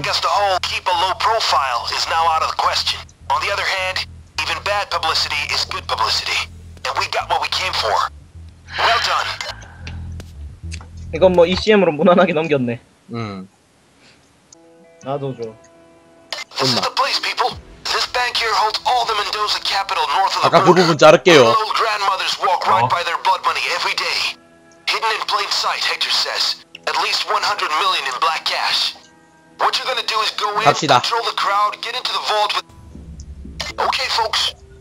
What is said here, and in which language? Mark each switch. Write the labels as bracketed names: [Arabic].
[English] Keep a low profile is now out of the question. On the other hand, even bad publicity is good publicity, and we got what we came for. Well done. [Korean] 이건 뭐 ECM으로 무난하게 넘겼네. 나도 줘. [English] This is the place, people. This bank here holds all the Mendoza capital north of the border. [Korean] 아까 그 부분 자를게요. [English] My old grandmothers walk right by their blood money every day. Hidden in plain sight, Hector says. At least 100 million in black cash. What you're gonna do is go in, control the crowd, get into the vault with... Okay, folks.